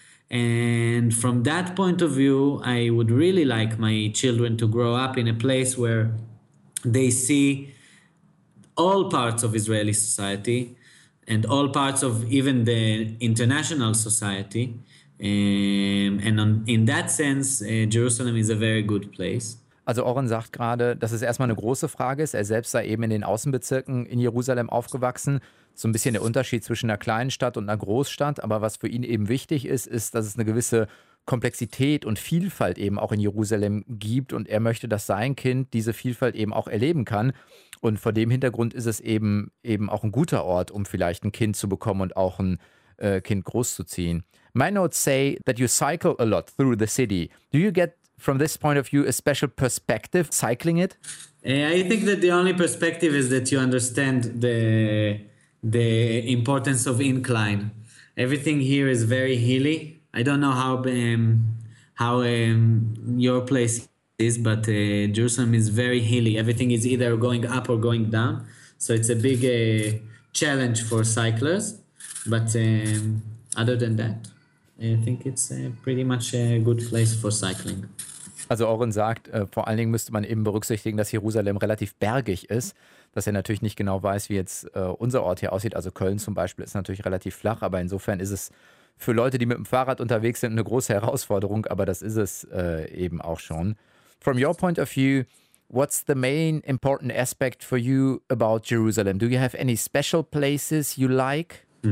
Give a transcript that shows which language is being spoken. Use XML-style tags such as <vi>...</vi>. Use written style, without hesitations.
<en>And from that point of view, I would really like my children to grow up in a place where they see all parts of Israeli society and all parts of even the international society. Jerusalem is a very good place.</en> <de>Also Oren sagt gerade, dass es erstmal eine große Frage ist. Er selbst sei eben in den Außenbezirken in Jerusalem aufgewachsen. So ein bisschen der Unterschied zwischen einer kleinen Stadt und einer Großstadt. Aber was für ihn eben wichtig ist, ist, dass es eine gewisse Komplexität und Vielfalt eben auch in Jerusalem gibt. Und er möchte, dass sein Kind diese Vielfalt eben auch erleben kann. Und vor dem Hintergrund ist es eben auch ein guter Ort, um vielleicht ein Kind zu bekommen und auch ein Kind großzuziehen.</de> <en>My notes say that you cycle a lot through the city. Do you get, from this point of view, a special perspective cycling it? I think that the only perspective is that you understand the importance of incline. Everything here is very hilly. I don't know how your place is, but Jerusalem is very hilly. Everything is either going up or going down. So it's a big challenge for cyclists. But other than that, I think it's pretty much a good place for cycling.</en> <de>Also Oren sagt, vor allen Dingen müsste man eben berücksichtigen, dass Jerusalem relativ bergig ist, dass er natürlich nicht genau weiß, wie jetzt unser Ort hier aussieht. Also Köln zum Beispiel ist natürlich relativ flach, aber insofern ist es für Leute, die mit dem Fahrrad unterwegs sind, eine große Herausforderung, aber das ist es eben auch schon.</de> <en>From your point of view, what's the main important aspect for you about Jerusalem? Do you have any special places you like?</en>